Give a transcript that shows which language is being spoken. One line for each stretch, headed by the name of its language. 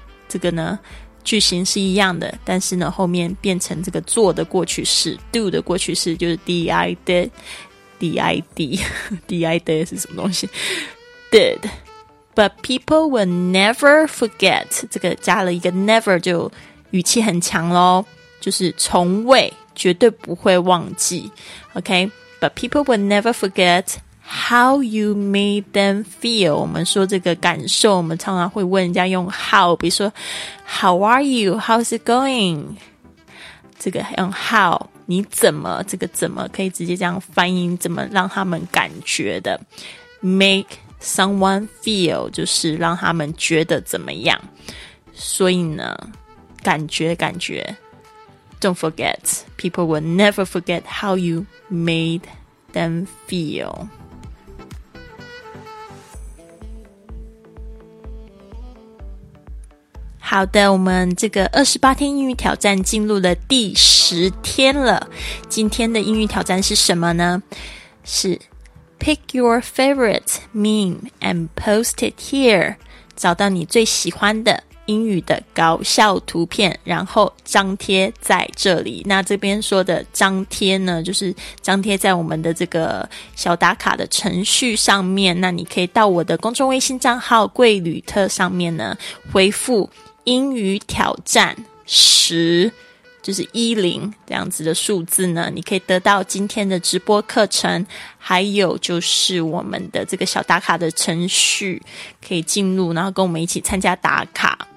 Chinese: 这个呢句型是一样的，但是呢后面变成这个做的过去式， do 的过去式就是 did 是什么东西， did.
English: But people will never forget.
Chinese: 这个加了一个 never 就语气很强咯，就是从未，绝对不会忘记。
English: OK, but people will never forget how you made them feel.
Chinese: 我们说这个感受，我们常常会问人家用 how, 比如说
English: how are you, how's it going,
Chinese: 这个用 how, 你怎么，这个怎么可以直接这样翻译，怎么让他们感觉的。
English: make someone feel
Chinese: 就是让他们觉得怎么样，所以呢感觉
English: Don't forget, people will never forget how you made them feel.
Chinese: How that 我们这个28天英语挑战进入了第十天了。今天的英语挑战是什么呢？
English: 是 pick your favorite meme and post it here.
Chinese: 找到你最喜欢的英语的搞笑图片，然后张贴在这里。那这边说的张贴呢，就是张贴在我们的这个小打卡的程序上面。那你可以到我的公众微信账号贵旅特上面呢，回复英语挑战十，就是10这样子的数字呢，你可以得到今天的直播课程，还有就是我们的这个小打卡的程序，可以进入然后跟我们一起参加打卡。